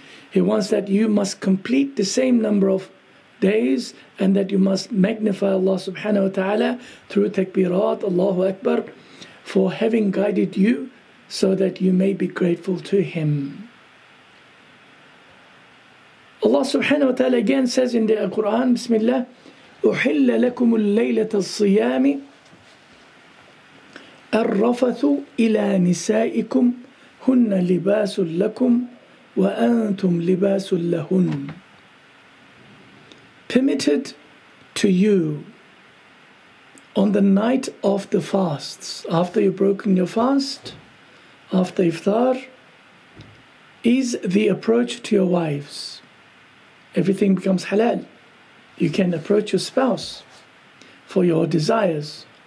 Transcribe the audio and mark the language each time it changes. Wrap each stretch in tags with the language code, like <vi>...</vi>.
<en>He wants that you must complete the same number of days, and that you must magnify Allah subhanahu wa ta'ala through takbirat, Allahu Akbar, for having guided you so that you may be grateful to Him. Allah subhanahu wa ta'ala again says in the Quran, Bismillah,</en> <ar>أُحِلَّ لَكُمُ اللَّيْلَةَ الصِّيَامِ الرَّفَثُ إِلَى نِسَائِكُمْ هُنَّ لِبَاسٌ لَكُمْ وَأَنْتُمْ لِبَاسٌ لَهُنْ.</ar> <en>Permitted to you on the night of the fasts, after you've broken your fast, after iftar, is the approach to your wives. Everything becomes halal. You can approach your spouse for your desires.</en>